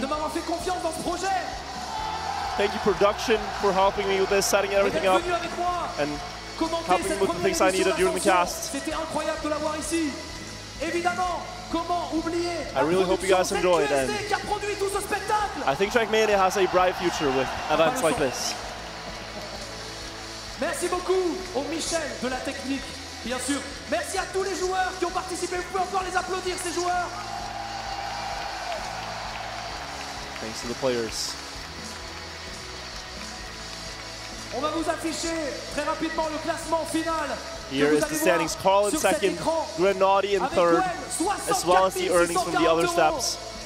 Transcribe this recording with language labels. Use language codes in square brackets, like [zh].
[en] Thank you, production, for helping me with this, setting everything up, and helping me with the things I needed during the cast. [fr] C'était incroyable de l'avoir ici. Évidemment, Comment oublier? [en] I really hope you guys enjoyed it. I think Trackmania has a bright future with events like this. [fr] Merci beaucoup au Michel de la technique, bien sûr. Merci à tous les joueurs qui ont participé. Vous pouvez encore les applaudir, ces joueurs. [en] Thanks to the players. [fr] On va vous afficher très rapidement le classement final. [en] Here is the standings. Carl in second, Grenadi in third, as well as the earnings from the other steps.